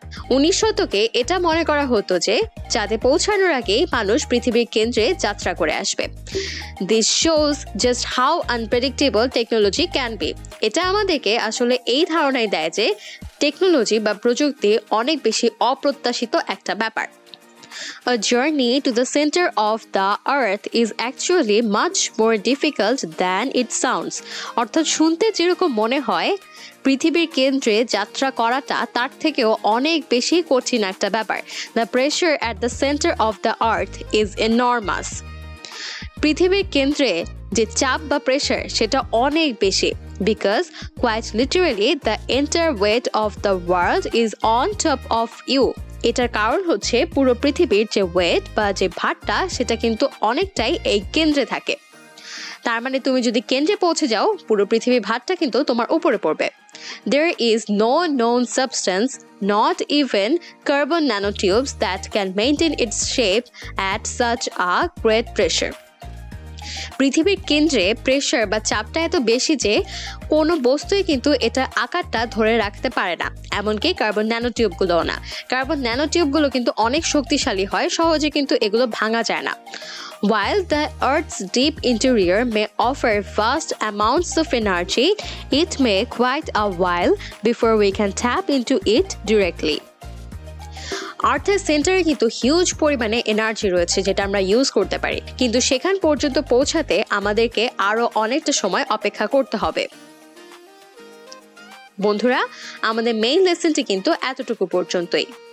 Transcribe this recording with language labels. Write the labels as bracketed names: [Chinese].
[Bangla] 19 শতকে এটা মনে করা হতো যে চাঁদে পৌঁছানোর আগে মানুষ পৃথিবীর কেন্দ্রে যাত্রা করে আসবে। [English] This shows just how unpredictable technology can be. [Bangla] এটা আমাদেরকে আসলে এই ধারণাই দেয় যে টেকনোলজি বা প্রযুক্তি অনেক বেশি অপ্রত্যাশিত একটা ব্যাপার। [English] A journey to the center of the earth is actually much more difficult than it sounds. [Bangla] অর্থাৎ শুনতে যেরকম মনে হয়, পৃথিবীর কেন্দ্রে যাত্রা করাটা তার থেকেও অনেক বেশি কঠিন একটা ব্যাপার। [English] The pressure at the center of the earth is enormous. [Bangla] পৃথিবীর কেন্দ্রে যে চাপ বা প্রেশার সেটা অনেক বেশি। [English] Because quite literally the entire weight of the world is on top of you. [Bangla] এটার কারণ হচ্ছে পুরো পৃথিবীর যে ওয়েট বা যে ভারটা সেটা কিন্তু অনেকটাই এই কেন্দ্রে থাকে। তার মানে তুমি যদি কেন্দ্রে পৌঁছে যাও, পুরো পৃথিবীর ভারটা কিন্তু তোমার উপরে পড়বে। [English] There is no known substance, not even carbon nanotubes, that can maintain its shape at such a great pressure. [Bangla] পৃথিবীর কেন্দ্রে প্রেশার বা চাপটা এত বেশি যে কোনো বস্তুই কিন্তু এটা আকারটা ধরে রাখতে পারে না, এমনকি কার্বন ন্যানোটিউবগুলোও না। কার্বন ন্যানোটিউবগুলো কিন্তু অনেক শক্তিশালী হয়, সহজে কিন্তু এগুলো ভাঙা যায় না। [English] While the Earth's deep interior may offer vast amounts of energy, it may quite a while before we can tap into it directly. [Bangla] আর্থের সেন্টারে কিন্তু হিউজ পরিমাণে এনার্জি রয়েছে যেটা আমরা ইউজ করতে পারি, কিন্তু সেখান পর্যন্ত পৌঁছাতে আমাদেরকে আরও অনেকটা সময় অপেক্ষা করতে হবে। বন্ধুরা, আমাদের মেইন লেসনটি কিন্তু এতটুকু পর্যন্তই।